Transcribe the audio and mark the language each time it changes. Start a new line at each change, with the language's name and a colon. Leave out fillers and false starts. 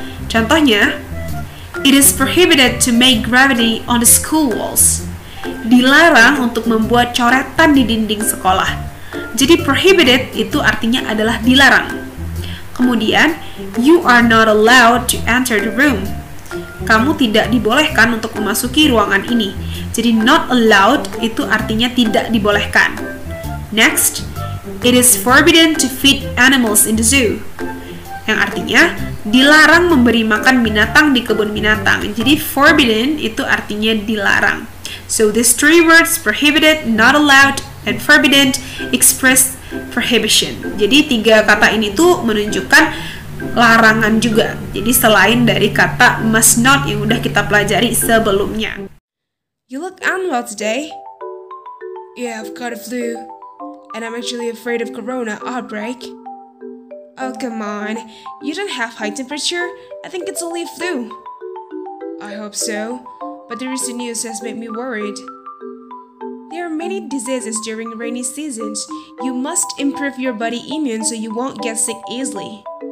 English: Contohnya, it is prohibited to make graffiti on the school walls,
Indonesian: dilarang untuk membuat coretan di dinding sekolah. Jadi prohibited itu artinya adalah dilarang.
English: Kemudian, you are not allowed to enter the room.
Indonesian: Kamu tidak dibolehkan untuk memasuki ruangan ini. Jadi not allowed itu artinya tidak dibolehkan.
English: Next, it is forbidden to feed animals in the zoo.
Indonesian: Yang artinya dilarang memberi makan binatang di kebun binatang. Jadi forbidden itu artinya dilarang.
English: So these three words, prohibited, not allowed, and forbidden, express prohibition.
Indonesian: Jadi tiga kata ini tuh menunjukkan larangan juga. Jadi selain dari kata must not yang udah kita pelajari sebelumnya.
English: You look unwell today. Yeah, I've got a flu. And I'm actually afraid of corona outbreak. Oh, come on. You don't have high temperature. I think it's only a flu. I hope so. But the recent news has made me worried. There are many diseases during rainy seasons. You must improve your body immune so you won't get sick easily.